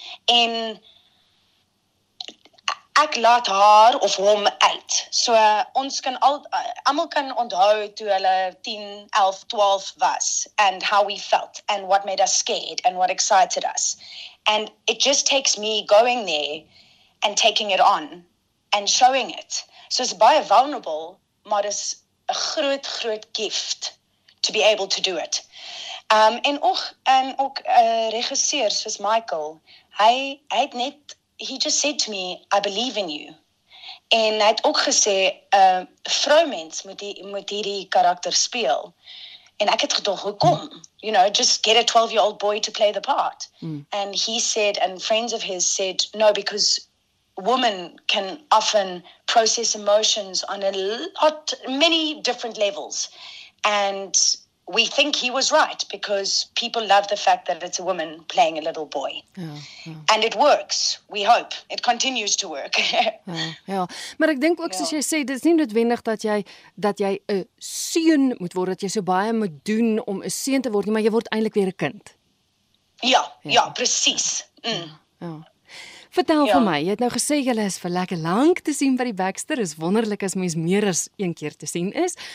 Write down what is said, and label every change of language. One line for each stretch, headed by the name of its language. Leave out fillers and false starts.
Afrikaans: En ek laat haar of hom uit. So ons kan almal kan onthou toe hulle 10, 11, 12 was
English: and how we felt and what made us scared and what excited us. And it just takes me going there and taking it on and showing it. So it's baie vulnerable,
Afrikaans: maar is 'n groot groot
English: gift to be able to do it.
Afrikaans: En ook 'n regisseur soos Michael, hy het net
English: he just said to me, I believe in you.
Afrikaans: En hy het ook gesê, vroumens moet hierdie karakter speel. En ek het gedoog, hoekom?
English: You know, just get a 12-year-old boy to play the part. Mm. And he said, and friends of his said, no, because women can often process emotions on a lot, many different levels. And we think he was right because people love the fact that it's a woman playing a little boy. And it works, we hope. It continues to work.
Afrikaans: Ja, ja. Maar ek dink ook, soos jy sê, dit is nie noodwendig dat jy 'n seun moet word, dat jy so baie moet doen om 'n seun te word nie, maar jy word eintlik weer 'n kind. Ja, presies. Mm. Ja. Vertel vir my, jy het nou gesê julle is vir lekker lank te sien by die Baxter, is wonderlik as mens meer as een keer te sien is.